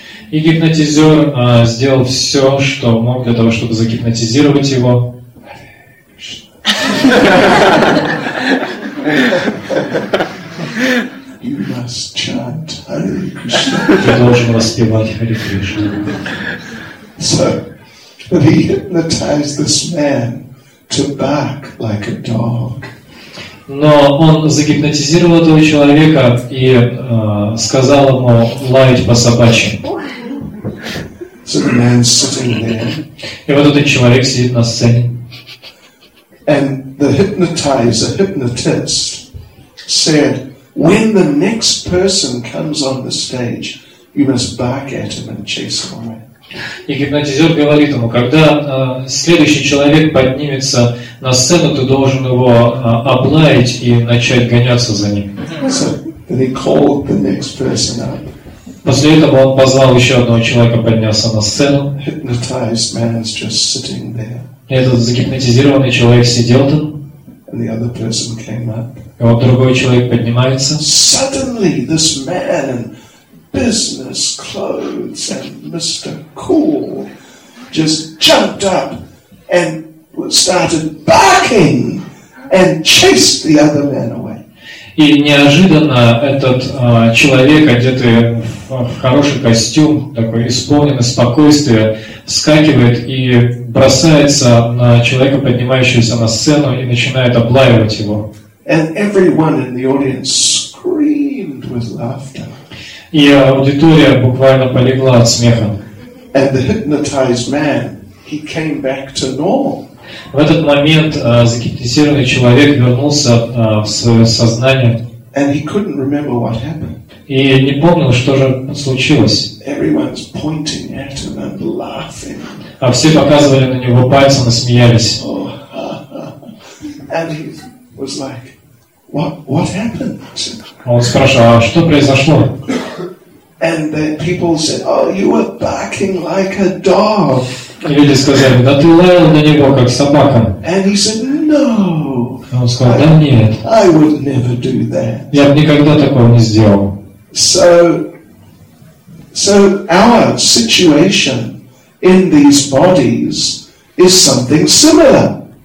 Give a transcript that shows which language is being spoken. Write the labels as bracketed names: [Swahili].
[Russian] И гипнотизер сделал все, что мог для того, чтобы загипнотизировать его. [English] You must chant Hare Krishna. [Russian] Ты должен воспевать Hare Krishna. [English] So, but he hypnotized this man to bark like a dog. [Russian] Но он загипнотизировал этого человека и сказал ему лаять по собачьи. [English] So the man sitting there. [Russian] И вот этот человек сидит на сцене. [English] And the hypnotizer, hypnotist, said, when the next person comes on the stage, you must bark at him and chase him away. [Russian] И гипнотизер говорит ему, когда следующий человек поднимется на сцену, ты должен его облаять и начать гоняться за ним. [English] So, then he called the next person up. [Russian] После этого он позвал еще одного человека подняться на сцену. [English] Hypnotized man is just sitting there. [Russian] И этот загипнотизированный человек сидел там. [English] And the other person came up. [Russian] И вот другой человек поднимается. [English] Suddenly this man in business clothes and Mr. Cool just jumped up and started barking and chased the other man away. [Russian] И неожиданно этот человек, одетый в хороший костюм, такой исполненный спокойствия, вскакивает и бросается на человека, поднимающегося на сцену, и начинает облаивать его. [English] And everyone in the audience screamed with laughter. [Russian] И аудитория буквально полегла от смеха. [English] And the hypnotized man, he came back to normal. [Russian] В этот момент загипнотизированный человек вернулся в свое сознание. [English] And he couldn't remember what happened. [Russian] И не помнил, что же случилось. [English] Everyone's pointing at him and laughing. [Russian] А все показывали на него пальцем и смеялись. [English] Oh, and he was like, what happened? [Russian] Он спрашивал, а что произошло? [English] And the people said, oh, you were barking like a dog. [Russian] И люди сказали, да ты лаял на него, как собака. [English] And he said, no. [Russian] Он сказал, да нет. [English] I would never do that. [Russian] Я бы никогда такого не сделал. [English] So our situation in these bodies is something similar.